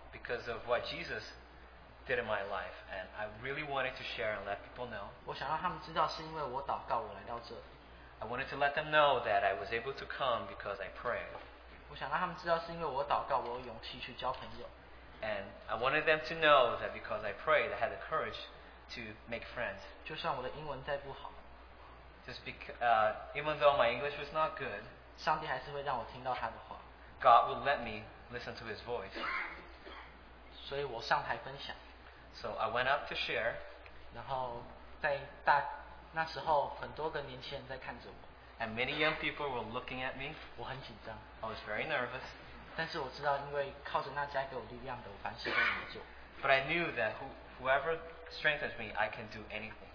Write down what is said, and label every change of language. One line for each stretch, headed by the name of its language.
English: Because of what Jesus did in my life, and I really wanted to share and let people know.
Chinese: 我想让他们知道是因为我祷告，我来到这。
English: I wanted to let them know that I was able to come because I prayed.
Chinese: 我想让他们知道是因为我祷告，我有勇气去交朋友。
English: And I wanted them to know that because I prayed, I had the courage to make friends.
Chinese: 就算我的英文再不好,
English: just because, even though my English was not good,
Chinese: 上帝还是会让我听到他的话,
English: God would let me listen to His voice.
Chinese: 所以我上台分享,
English: so I went up to share.
Chinese: 然后在那时候很多的年轻人在看着我,
English: and many young people were looking at me.
Chinese: 我很紧张,
English: I was very nervous.
Chinese: 但是我知道因为靠着那加给我力量的，我凡事都能做。
English: But I knew that whoever strengthens me, I can do anything.